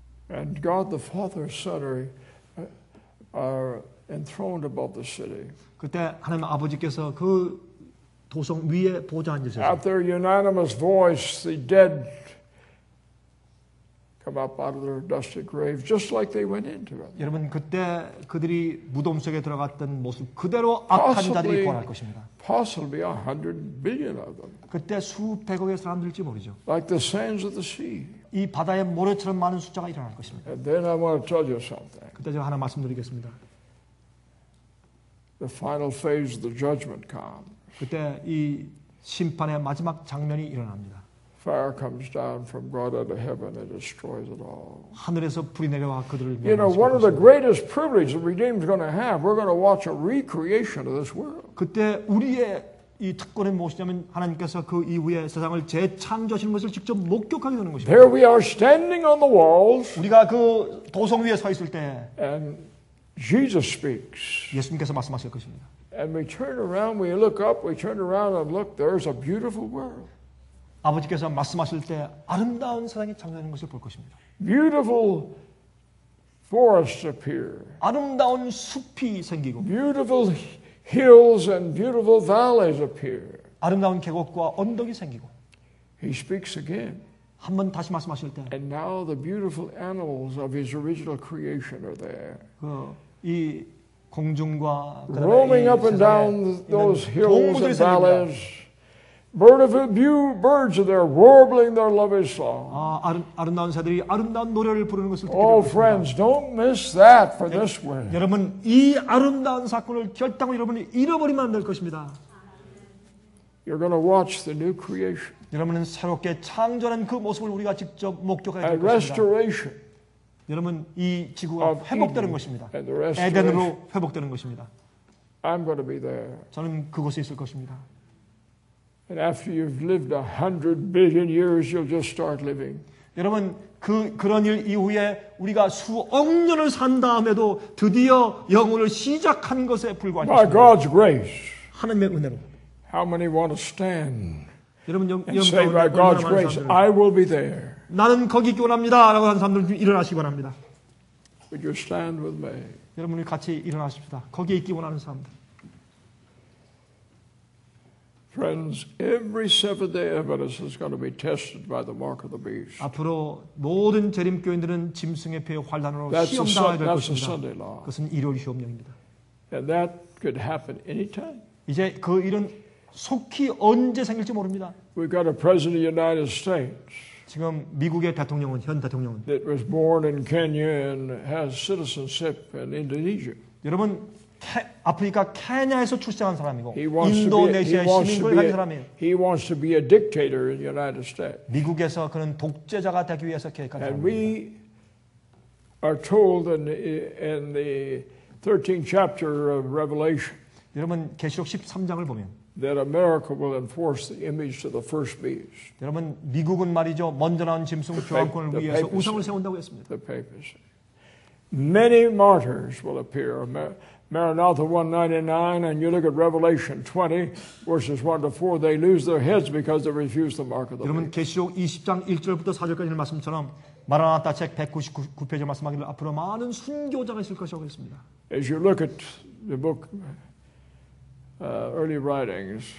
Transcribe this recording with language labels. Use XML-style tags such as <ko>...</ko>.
<en>And God the Father, Son are enthroned above the city.</en> <ko>그때 하나님 아버지께서 그 도성 위에 보좌 앉으셨어요.</ko> <en>At their unanimous voice, the dead come up out of their dusty grave, just like they went into it.</en> <ko>여러분 그때 그들이 무덤 속에 들어갔던 모습 그대로 악한 자들이 구원할 것입니다.</ko> <en>Possibly 100 billion of them.</en> <ko>그때 수백억의 사람들일지 모르죠.</ko> <en>Like the sands of the sea.</en> <ko>이 바다의 모래처럼 많은 숫자가 일어날 것입니다.</ko> <en>And then I want to tell you something.</en> <ko>그때 제가 하나 말씀드리겠습니다.</ko> <en>The final phase of the judgment comes.</en> <ko>그때 이 심판의 마지막 장면이 일어납니다.</ko> <en>Fire comes down from God out of heaven and destroys it all.</en> <ko>하늘에서 불이 내려와 그들을</ko> <en>You know, one of the greatest privileges the redeemed is going to have, we're going to watch a recreation of this world.</en> <ko>그때 우리의 이 특권은 무엇이냐면 하나님께서 그 이후에 세상을 재창조하시는 것을 직접 목격하게 되는 것입니다.</ko> <en>There we are standing on the walls.</en> <ko>우리가 그 도성 위에 서 있을 때,</ko> <en>and Jesus speaks.</en> <ko>예수님께서 말씀하실 것입니다.</ko> <en>And we turn around, we look up, we turn around and look. There's a beautiful world.</en> <ko>아버지께서 말씀하실 때 아름다운 세상이 창조하는 것을 볼 것입니다.</ko> <en>Beautiful forests appear.</en> <ko>아름다운 숲이 생기고.</ko> <en>Beautiful hills and beautiful valleys appear.</en> <ko>아름다운 계곡과 언덕이 생기고.</ko> <en>He speaks again.</en> <ko>한 번 다시 말씀하실 때.</ko> <en>And now the beautiful animals of his original creation are there.</en> <ko>이 공중과</ko> <en>roaming up and down those hills and valleys. Bird of a few birds there warbling their lovely song.</en> <ko>아, 아름다운 새들이 아름다운 노래를 부르는 것을 듣게 됩니다.</ko> <en>Oh friends, don't miss that for this one.</en> <ko>여러분 이 아름다운 사건을 결단으로 여러분이 잃어버리면 안 될 것입니다.</ko> <en>You're going to watch the new creation.</en> <ko>여러분은 새롭게 창조한 그 모습을 우리가 직접 목격할 것입니다. Restoration. 여러분 이 지구가 회복되는 것입니다. 에덴으로 회복되는 것입니다.</ko> <en>I'm going to be there.</en> <ko>저는 그곳에 있을 것입니다.</ko> <en>And after you've lived 100 billion years, you'll just start living.</en> <ko>여러분 그 그런 일 이후에 우리가 수억 년을 산 다음에도 드디어 영혼을 시작한 것에 불과합니다.</ko> <en>By God's grace.</en> <ko>하나님의 은혜로.</ko> <en>How many want to stand?</en> <ko>여러분</ko> <en>say by God's grace, I will be there.</en> <ko>나는 거기 원합니다라고 하는 사람들 좀 일어나시기 원합니다.</ko> <en>Would you stand with me?</en> <ko>여러분이 같이 일어나십시다. 거기에 있기 원하는 사람들.</ko> <en>Friends, every seventh day Adventist is going to be tested by the mark of the beast.</en> <ko>앞으로 모든 재림 교인들은 짐승의 폐 환난으로 시험당해야 될 것입니다. 그것은 일요일 시험령입니다.</ko> <en>And that could happen anytime.</en> <ko>이제 그 일은 속히 언제 생길지 모릅니다.</ko> <en>We got a president of the United States.</en> <ko>지금 미국의 대통령은 현 대통령은.</ko> <en>That was born in Kenya and has citizenship in Indonesia.</en> <ko>여러분. 아프리카 케냐에서 출생한 사람이고 인도네시아 시민권을 가진 사람이에요.</ko> <en>He wants to be a dictator in the United States.</en> <ko>미국에서 그는 독재자가 되기 위해서 계획한</ko> <en>And</en> <ko>사람입니다.</ko> <en>We are told in the 13th chapter of Revelation.</en> <ko>여러분 계시록 13장을 보면</ko> <en>that America will enforce the image of the first beast.</en> <ko>여러분 미국은 말이죠. 먼저 나온 짐승 교황권을 위해서</ko> <en>papacy,</en> <ko>우상을 세운다고 했습니다.</ko> <en>The papacy. Many martyrs will appear Maranatha 199, and you look at Revelation 20, verses 1 to 4, they lose their heads because they refuse the mark of the beast.</en> <ko>여러분, 계시록 20장 1절부터 4절까지 말씀처럼 마라나타 책 199페이지 말씀하기를 앞으로 많은 순교자가 있을 것이라고 했습니다.</ko> <en>As you look at the book, early writings,</en>